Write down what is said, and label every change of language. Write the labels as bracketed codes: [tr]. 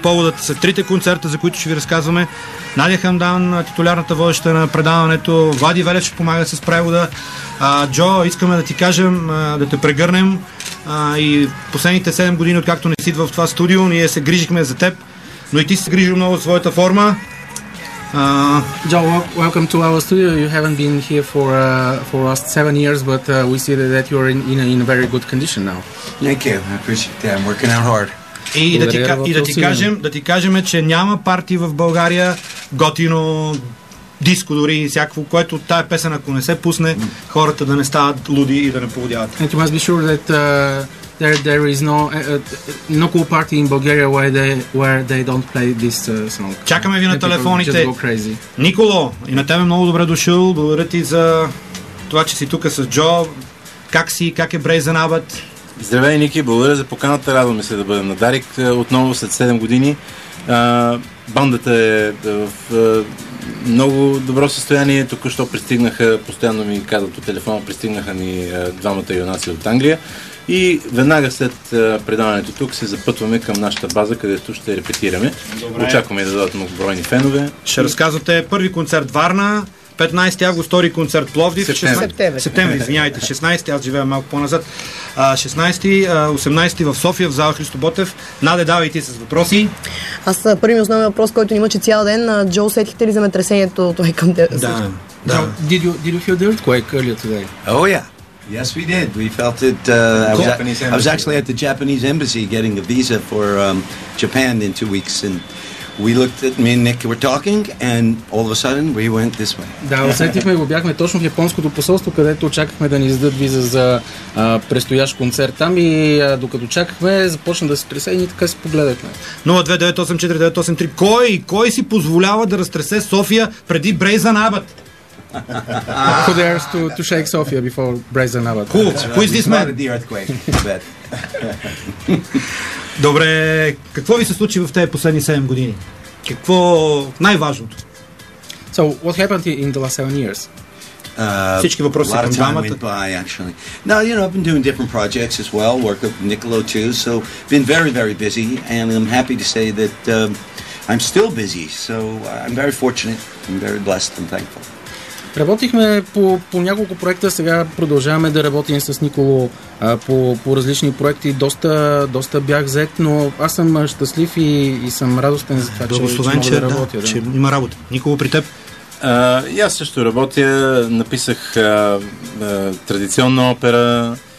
[bg] Поводът са трите концерта, за които ще ви разказваме. Надя Хамдан, титулярната водеща на предаването, Влади Велев ще помага с превода. Джо, искаме да ти кажем, да те прегърнем. И последните 7 години, откакто не си идва в това студио, ние се грижихме за теб, но и ти се грижи много за своята форма. [en] Joe, welcome to our studio. You haven't been here for last 7 years, but we see that you are in a very good condition now. Thank you. I appreciate that. I'm working out hard. [bg] И да ти кажем, че няма парти в България, готино диско дори и всякакво, което тая песен, ако не се пусне, хората да не стават луди и да не поводяват. [en] And you must be sure that there is no cool party in Bulgaria where they don't play this song. [bg] Чакаме ви на телефоните. Николо, и на тебе много добре дошъл. Благодаря ти за това, че си тука с Джо. Как си? Как е Брей за Набът? Здравей, Ники. Благодаря за поканата. Радвам се да бъдем на Дарик отново след 7 години. Бандата е в много добро състояние. Току-що пристигнаха, постоянно ми казват от телефона, пристигнаха ни двамата юнаци от Англия. И веднага след предаването тук се запътваме към нашата база, където ще репетираме. Добре. Очакваме да дадат многобройни фенове. Ще разказвате първи концерт Варна, 15 август, втори концерт Пловдив. Септември, извиняйте, 16-ти, аз живея малко по-назад. 16-ти, 18-ти в София, в зала Христо Ботев. Наде, давай ти с въпроси. Аз първият основен въпрос, който имаше цял ден. Джо, усетихте ли земетресението? Той към те? Да. [en] Did you feel the earthquake earlier today? Oh, yeah. Yes, we did. We felt it. I was actually at the Japanese embassy getting a visa for Japan in 2 weeks, and we looked at me and Nick were talking, and all of a sudden we went this way. [bg] Да, усетихме го, бяхме точно в японското посолство, където очаквахме да ни издадат виза за предстоящ концерт там, и докато чакахме, започна да се тресе и ние така си погледахме. 0-2-9-8-4-9-8-3. Кой си позволява да разтресе София преди Брей за Набът? [en] Who dares to shake Sofia before Brei za Nabat? Who is this man? The earthquake. [bg] Добре, какво ви се случи в тези последни 7 години? Какво най-важното? [en] So, what happened in the last 7 years? [bg] Всички въпроси към двамата. [en] By, actually. Now, you know, I've been doing different projects as well, work with Niccolo too, so been very, very busy, and I'm happy to say that I'm still busy, so I'm very fortunate, I'm very blessed and thankful. [bg] Работихме по няколко проекта, сега продължаваме да работим с Николо по различни проекти. Доста бях зает, но аз съм щастлив и съм радостен за това, че мога да работя. Да, да. Че има работа. Николо, при теб? И аз също работя. Написах традиционна опера.